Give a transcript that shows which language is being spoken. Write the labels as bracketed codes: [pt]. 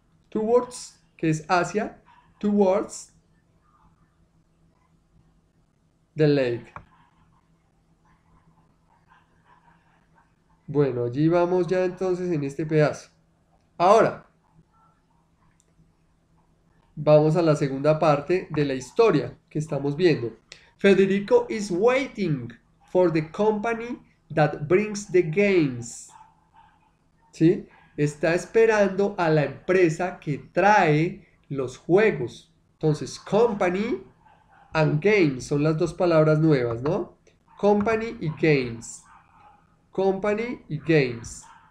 [en] Towards, [es] que es hacia, [en] towards the lake. [es] Bueno, allí vamos ya entonces en este pedazo. Ahora, vamos a la segunda parte de la historia que estamos viendo. [en] Federico is waiting for the company that brings the games. [es] ¿Sí? Está esperando a la empresa que trae los juegos. Entonces, [en] company and games [es] son las dos palabras nuevas, ¿no? [en] Company y games. Company y games.